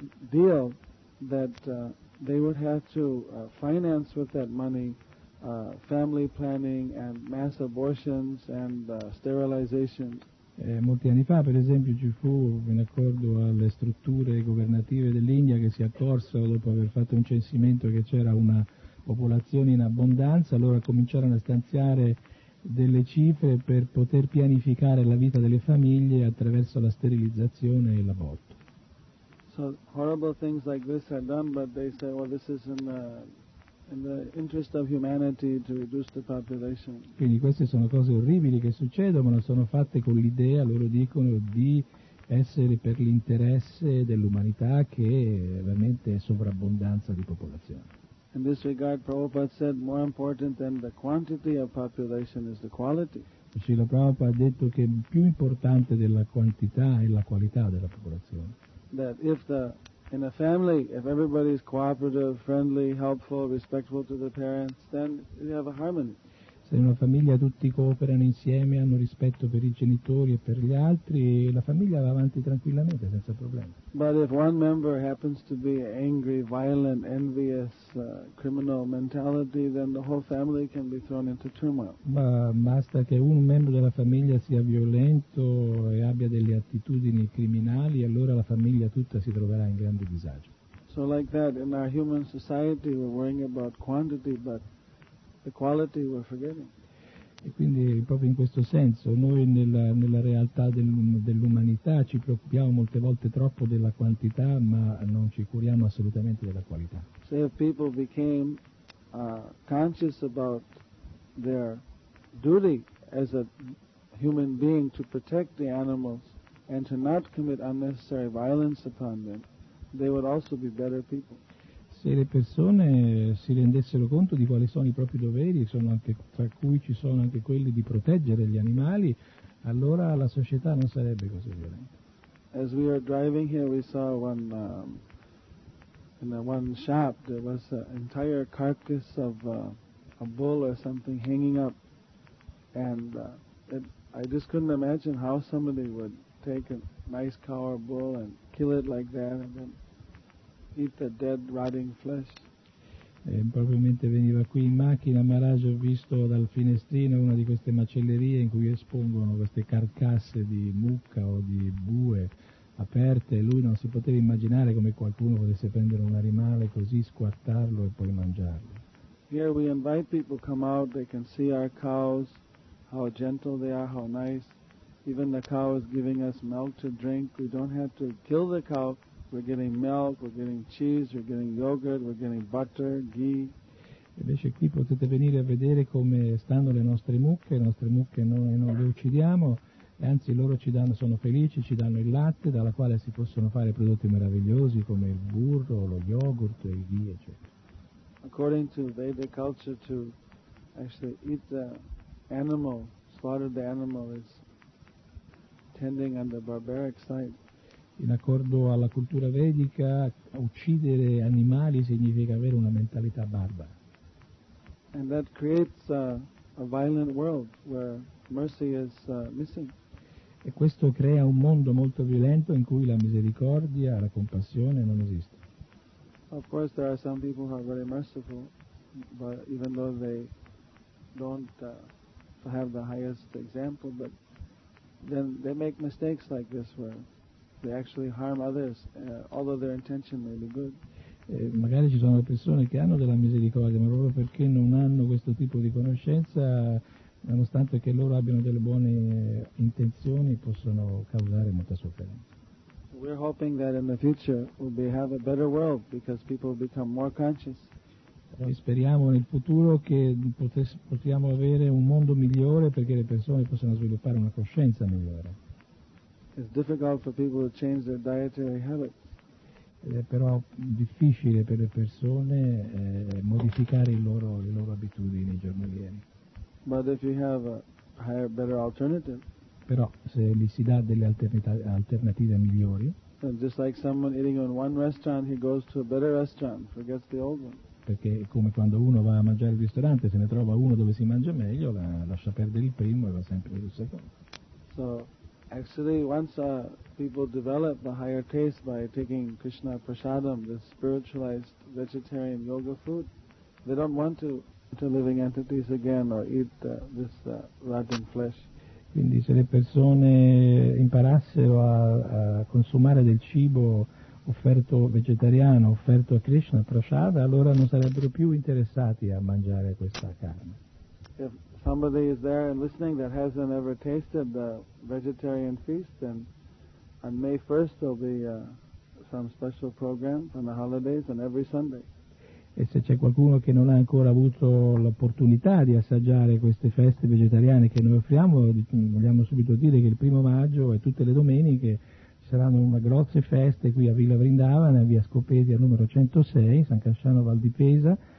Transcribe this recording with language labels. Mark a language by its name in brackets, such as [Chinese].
[English] deal that they would have to finance with that money family planning and mass abortions and sterilizations. [Italian] Molti anni fa, per esempio, ci fu un accordo alle strutture governative dell'India che si accorsero, dopo aver fatto un censimento, che c'era una popolazione in abbondanza, allora cominciarono a stanziare delle cifre per poter pianificare la vita delle famiglie attraverso la sterilizzazione e l'aborto. [English] So horrible things like this are done, but they say, well, this is in the interest of humanity to reduce the population. [Italian] Quindi queste sono cose orribili che succedono, ma sono fatte con l'idea, loro dicono, di essere per l'interesse dell'umanità, che veramente è sovrabbondanza di popolazione. [English] In this regard, Prabhupada said, more important than the quantity of population is the quality. [Italian] Srila Prabhupada ha detto che più importante della quantità è la qualità della popolazione. [English] That if the in a family, if everybody is cooperative, friendly, helpful, respectful to the parents, then you have a harmony. [Italian] Se in una famiglia tutti cooperano insieme, hanno rispetto per i genitori e per gli altri, la famiglia va avanti tranquillamente, senza problemi. [English] But if one member happens to be angry, violent, envious, criminal mentality, then the whole family can be thrown into turmoil. [Italian] Ma basta che un membro della famiglia sia violento e abbia delle attitudini criminali, allora la famiglia tutta si troverà in grande disagio. [English] So like that, in our human society, we're worrying about quantity, but the quality we're forgetting. [Italian] E quindi proprio in questo senso noi nella realtà dell'umanità ci preoccupiamo molte volte troppo della quantità, ma non ci curiamo assolutamente della qualità. [English] So if people became conscious about their duty as a human being to protect the animals and to not commit unnecessary violence upon them, they would also be better people. [Italian] Se le persone si rendessero conto di quali sono i propri doveri, sono anche, tra cui ci sono anche quelli di proteggere gli animali, allora la società non sarebbe così violenta. [English] As we were driving here, we saw one shop, there was an entire carcass of a bull or something hanging up, and I just couldn't imagine how somebody would take a nice cow or bull and kill it like that and then eat the dead rotting flesh. [Italian] Proprio mentre veniva qui in macchina, Maharaj, ho visto dal finestrino una di queste macellerie in cui espongono queste carcasse di mucca o di bue aperte, e lui non si poteva immaginare come qualcuno potesse prendere un animale così, squartarlo e poi mangiarlo. [English] Here we invite people come out, they can see our cows, how gentle they are, how nice. Even the cow is giving us milk to drink. We don't have to kill the cow. We're getting milk, we're getting cheese, we're getting yogurt, we're getting butter, ghee. [Italian] Invece qui potete venire a vedere come stanno le nostre mucche non le uccidiamo, e anzi loro ci danno, sono felici, ci danno il latte, dalla quale si possono fare prodotti meravigliosi come il burro, lo yogurt, il ghee, eccetera. [English] According to Vedic culture, to actually eat the animal, slaughter the animal, is tending on the barbaric side. [Italian] In accordo alla cultura vedica, uccidere animali significa avere una mentalità barbara. [English] And that creates a violent world where mercy is missing. [Italian] E questo crea un mondo molto violento in cui la misericordia, la compassione non esiste. [English] Of course there are some people who are very merciful, but even though they don't have the highest example, but then they make mistakes like this where they actually harm others, although their intention may be good. [Italian] Magari ci sono persone che hanno della misericordia, ma proprio perché non hanno questo tipo di conoscenza, nonostante che loro abbiano delle buone intenzioni, possono causare molta sofferenza. [English] We're hoping that in the future we'll have a better world because people become more conscious. [Italian] Noi speriamo nel futuro che possiamo avere un mondo migliore perché le persone possano sviluppare una coscienza migliore. [English] It's difficult for people to change their dietary habits. [Italian] Ed è però difficile per le persone modificare le loro abitudini giornalieri. [English] But if you have a higher, better alternative. [Italian] Però se gli si dà delle alternative migliori. [English] Then just like someone eating in one restaurant, he goes to a better restaurant, forgets the old one. [Italian] Perché è come quando uno va a mangiare al ristorante, se ne trova uno dove si mangia meglio, lascia perdere il primo e va sempre il secondo. [English] So Actually, once people develop the higher taste by taking Krishna Prasadam, the spiritualized vegetarian yoga food, they don't want to enter living entities again or eat this rotten flesh. [Italian] Quindi se le persone imparassero a consumare del cibo offerto vegetariano, offerto a Krishna Prasada, allora non sarebbero più interessati a mangiare questa carne. [English] If somebody is there and listening that hasn't ever tasted the vegetarian feast, then on May 1st there'll be some special program on the holidays and every Sunday. [Italian] E se c'è qualcuno che non ha ancora avuto l'opportunità di assaggiare queste feste vegetariane che noi offriamo, vogliamo subito dire che il 1° maggio e tutte le domeniche ci saranno una grosse feste qui a Villa Vrindavana, via Scopesia numero 106, San Casciano Val di Pesa.